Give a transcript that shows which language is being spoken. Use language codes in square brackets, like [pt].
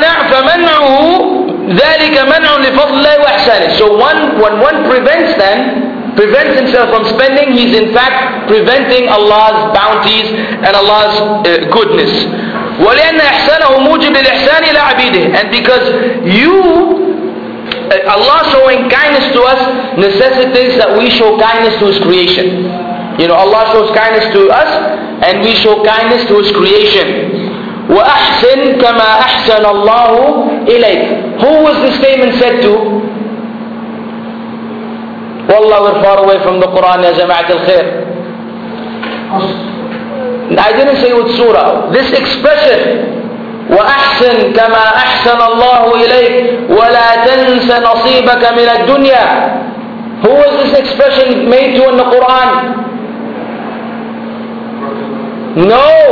[ar] فمنعه ذلك منع لفضل الله وإحسانه. [en] So when one prevents them, prevents himself from spending, he's in fact preventing Allah's bounties and Allah's goodness. [ar] ولأن إحسانه موجب للإحسان إلى عبيده. [en] And because you, Allah showing kindness to us necessitates that we show kindness to His creation. You know, Allah shows kindness to us and we show kindness to His creation. [ar] وأحسن كما أحسن الله إليك. [en] Who was the statement said to? Wallah, we're far away from the Quran, [ar] ya jama'at al-khair. [en] I didn't say with surah. This expression, [ar] وأحسن كما أحسن الله إليك ولا تنس نصيبك من الدنيا. [en] Who was this expression made to in the Quran? No.